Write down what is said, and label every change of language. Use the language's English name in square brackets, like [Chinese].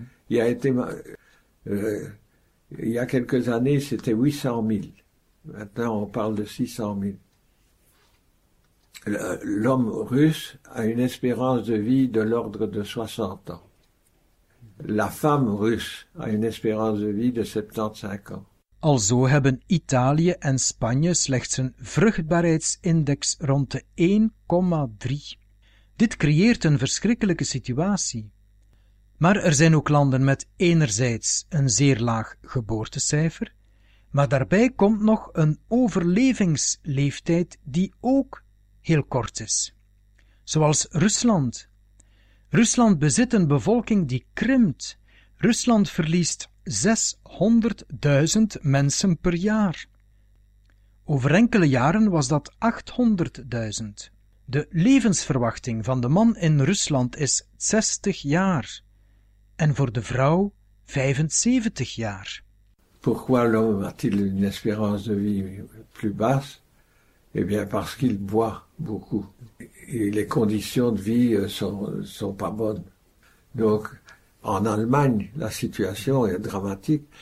[French] Il a été, il y a quelques années, c'était 800 000. Maintenant, on parle de 600 000. L'homme russe a une espérance de vie de l'ordre de 60 ans. La femme russe a une espérance de vie de 75 ans. [Dutch] Alzo hebben Italië en Spanje slechts een vruchtbaarheidsindex rond de 1,3. Dit creëert een verschrikkelijke situatie. Maar er zijn ook landen met enerzijds een zeer laag geboortecijfer, maar daarbij komt nog een overlevingsleeftijd die ook heel kort is. Zoals Rusland. Rusland bezit een bevolking die krimpt. Rusland verliest 600.000 mensen per jaar. Over enkele jaren was dat 800.000. De levensverwachting van de man in Rusland is 60 jaar. En voor de vrouw 75 jaar. [French] Pourquoi l'homme a-t-il une espérance de vie plus basse? Eh bien, parce qu'il boit beaucoup. Et les conditions de vie sont pas bonnes. Donc, en Allemagne, la situation est dramatique.